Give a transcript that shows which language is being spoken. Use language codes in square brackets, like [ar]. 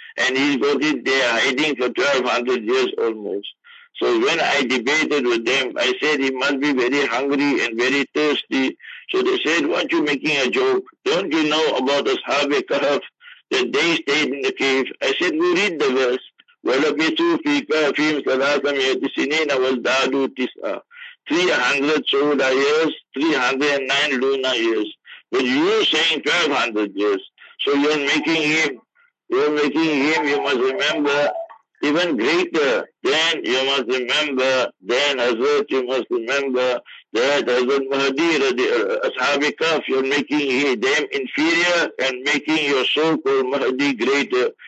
[en] And he's got it there hiding for 1,200 years almost. So when I debated with them, I said he must be very hungry and very thirsty. So they said, what you making a joke? Don't you know about Ashab-e Kahf that they stayed in the cave? I said, we read the verse. [ar] وَلَبِثُوا فِي كَهْفِهِمْ ثَلَاثَ مِائَةِ سِنِينَ وَازْدَادُوا تِسْعًا [en] 300 solar years, 309 lunar years. But you're saying 1,200 years. So you're making him, you must remember, even greater. Then you must remember, then Hazrat, you must remember that Hazrat Mahdi, Ashabi Kaf, you're making them inferior and making your so-called Mahdi greater.